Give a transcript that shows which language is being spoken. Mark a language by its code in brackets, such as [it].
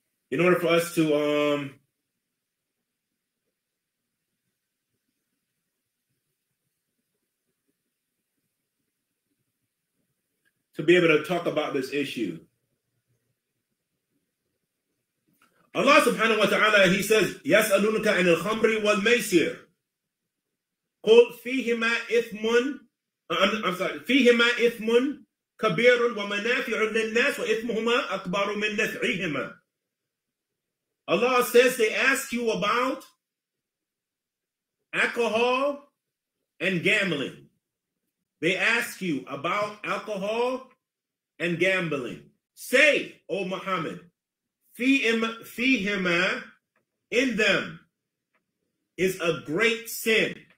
[en] In order for us to be able to talk about this issue. Allah subhanahu wa ta'ala, he says, [ar] يَسْأَلُونَكَ عَنِ الْخَمْرِ وَالْمَيْسِرِ قُلْ فِيهِمَا إِثْمٌ [en] I'm sorry, [ar] فِيهِمَا إِثْمٌ كَبِيرٌ وَمَنَافِعٌ لِلنَّاسِ وَإِثْمُهُمَا أَكْبَرُ مِنْ نَفْعِهِمَا. [en] Allah says, they ask you about alcohol and gambling. They ask you about alcohol and gambling. Say, O Muhammad, fihima, in them is a great sin.